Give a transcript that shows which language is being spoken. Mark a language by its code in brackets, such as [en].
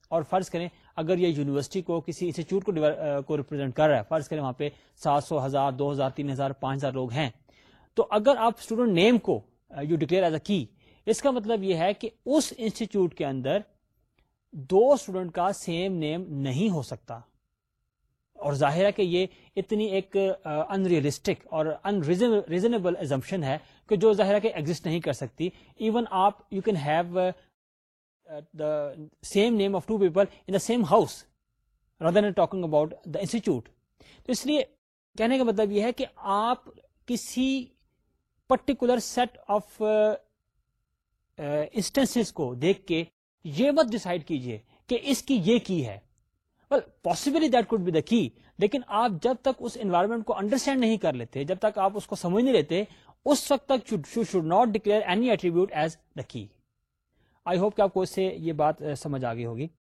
[ur] اور فرض کریں اگر یہ یونیورسٹی کو کسی انسٹیٹیوٹ کو ریپرزینٹ کر رہا ہے, فرض کریں وہاں پہ 700, 1000, 2000, 3000, 5000 لوگ ہیں, تو اگر آپ اسٹوڈنٹ نیم کو یو ڈکلیئر ایز اے کی اس کا مطلب یہ ہے کہ اس انسٹیٹیوٹ کے اندر دو اسٹوڈنٹ کا سیم نیم نہیں ہو سکتا. اور ظاہر ہے کہ یہ اتنی ایک انریلسٹک اور انریزنیبل ایزمپشن ہے کہ جو ظاہر ہے کہ ایگزسٹ نہیں کر سکتی. [en] Even آپ you can have the same name of two people in the same house rather than talking about the institute. [ur] تو اس لیے کہنے کا مطلب یہ ہے کہ آپ کسی پرٹیکولر سیٹ آف انسٹنسز کو دیکھ کے یہ مت ڈیسائیڈ کیجئے کہ اس کی یہ کی ہے. [en] Well, possibly that could be the key, [ur] لیکن آپ جب تک اس انوائرمنٹ کو انڈرسٹینڈ نہیں کر لیتے, جب تک آپ اس کو سمجھ نہیں لیتے, اس وقت تک [en] you should not declare any attribute as the key. I hope [ur] کہ آپ کو اس سے یہ بات سمجھ آ گئی ہوگی.